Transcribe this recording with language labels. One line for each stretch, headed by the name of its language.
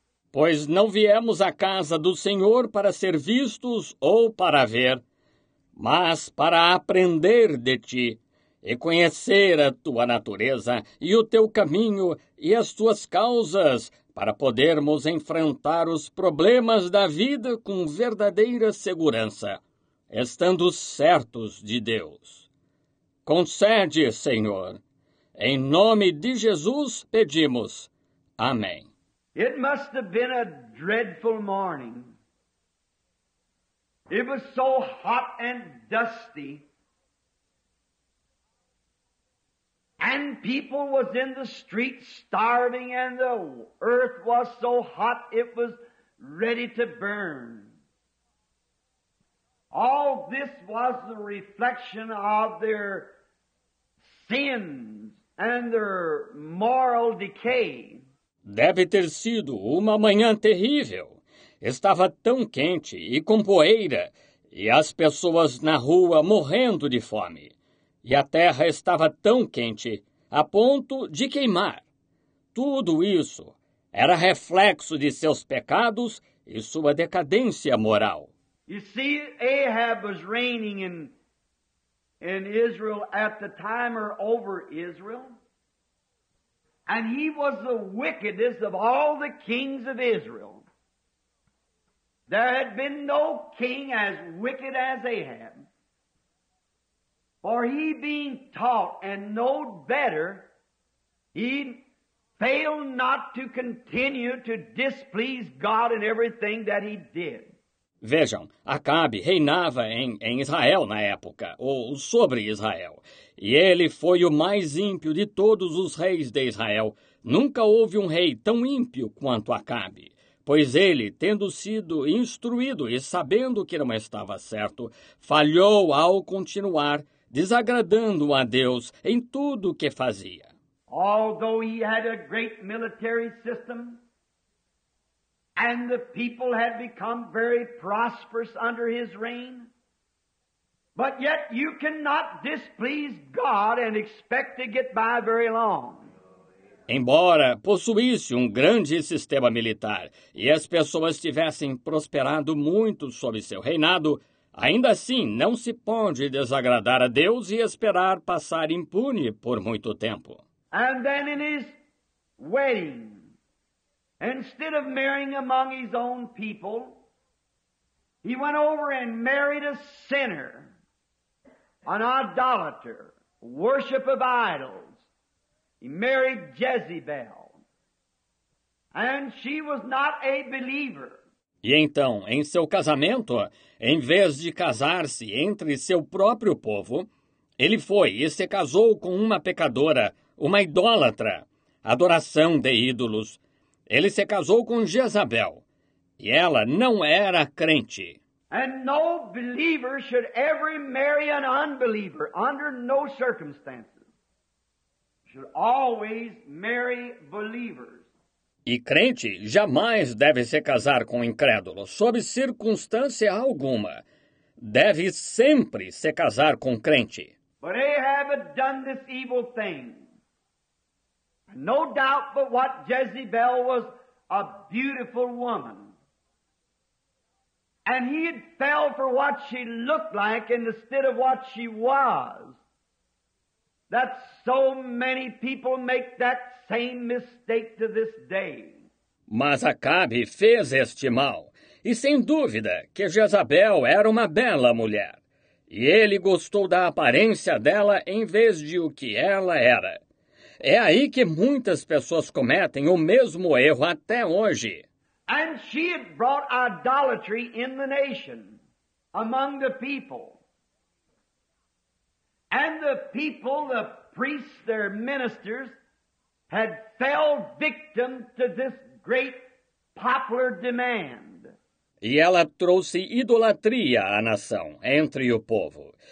Portuguese: Pois não viemos à casa do Senhor para ser vistos ou para ver, mas para aprender de ti e conhecer a tua natureza e o teu caminho e as tuas causas, para podermos enfrentar os problemas da vida com verdadeira segurança, estando certos de Deus. Concede, Senhor. Em nome de Jesus pedimos. Amém.
English: It must have been a dreadful morning. It was so hot and dusty. And people was in the streets starving and the earth was so hot it was ready to burn. All this was the reflection of their sins and their moral decay.
Portuguese: Deve ter sido uma manhã terrível. estava tão quente e com poeira, e as pessoas na rua morrendo de fome. E a terra estava tão quente, a ponto de queimar. Tudo isso era reflexo de seus pecados e sua decadência moral.
English: You see, Ahab was reigning in Israel at the time or over Israel. And he was the wickedest of all the kings of Israel. There had been no king as wicked as Ahab. For he being taught and knowed better, he failed not to continue to displease God in everything that he did.
Portuguese: Vejam, Acabe reinava em Israel na época, ou sobre Israel. E ele foi o mais ímpio de todos os reis de Israel. Nunca houve um rei tão ímpio quanto Acabe. Pois ele, tendo sido instruído e sabendo que não estava certo, falhou ao continuar, desagradando a Deus em tudo o que fazia.
English: Although he had a great military system, and the people had become very prosperous under his reign, but yet you cannot displease God and expect to get by very long.
Portuguese: Embora possuísse um grande sistema militar e as pessoas tivessem prosperado muito sob seu reinado, ainda assim não se pode desagradar a Deus e esperar passar impune por muito tempo.
English: And then in his wedding, instead of marrying among his own people, he went over and married a sinner, an idolater, worship of idols. He married Jezebel, and she was not a believer.
Portuguese: E então, em seu casamento, em vez de casar-se entre seu próprio povo, ele foi e se casou com uma pecadora, uma idólatra, adoração de ídolos. Ele se casou com Jezabel, e ela não era crente.
English: And no believer should ever marry an unbeliever under no circumstances. Should always marry believers.
Portuguese: E crente jamais deve se casar com incrédulo, sob circunstância alguma. Deve sempre se casar com crente.
English: But Ahab had done this evil thing. No doubt but what Jezebel was a beautiful woman. And he had fell for what she looked like instead of what she was. That so many people make that same mistake to this day.
Portuguese: Mas Acabe fez este mal. E sem dúvida que Jezabel era uma bela mulher. E ele gostou da aparência dela em vez de o que ela era. É aí que muitas pessoas cometem o mesmo erro até hoje.
English: And she had brought idolatry in the nation, among the people. And the people, the priests, their ministers, had fell victim to this great popular demand.
Portuguese: E ela trouxe idolatria à nação, entre o povo.